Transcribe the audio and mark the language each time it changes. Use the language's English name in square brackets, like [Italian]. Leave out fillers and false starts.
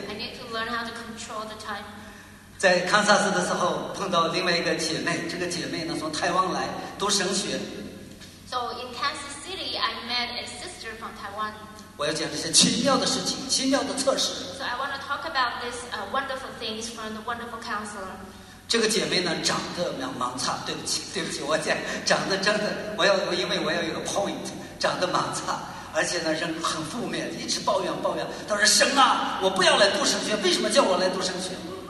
[English] I need to learn how to control the time. [Chinese] 在堪萨斯的时候碰到另外一个姐妹，这个姐妹呢从台湾来读神学。 [English] So in Kansas City, I met a sister from Taiwan. [Chinese] 我要讲这些奇妙的事情，奇妙的测试。 [English] So I want to talk about this wonderful things from the wonderful counselor. [Chinese] 这个姐妹呢，长得蛮差，对不起，对不起，我讲长得真的，我要一个 point， 长得蛮差，而且呢，人很负面，一直抱怨抱怨。她说：“神啊，我不要来读神学，为什么叫我来读神学？”